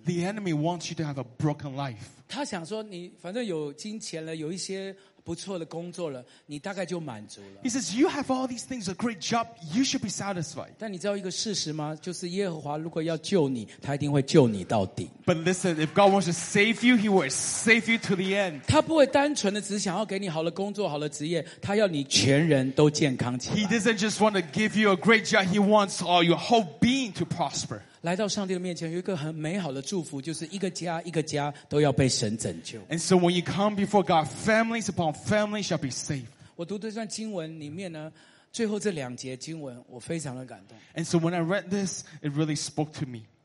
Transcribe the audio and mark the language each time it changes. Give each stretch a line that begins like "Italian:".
English: The enemy wants you to have a broken life.
Chinese: 他想说你反正有金钱了，有一些不错的工作了，你大概就满足了。
English: He says, "You have all these things, a great job. You should be satisfied."
Chinese: 但你知道一个事实吗？就是耶和华如果要救你，他一定会救你到底。
English: But listen, if God wants to save you, He will save you to the end.
Chinese: 他不会单纯的只想要给你好的工作、好的职业，他要你全人都健康起来。
English: He doesn't just want to give you a great job. He wants all your whole being to prosper.
Chinese: 来到上帝的面前，有一个很美好的祝福，就是一个家一个家都要被神拯救。
English: And so when you come before God, families upon families shall be saved.
Chinese: 我读这段经文里面呢，最后这两节经文我非常的感动。
English: And so when I read this, it really spoke to me.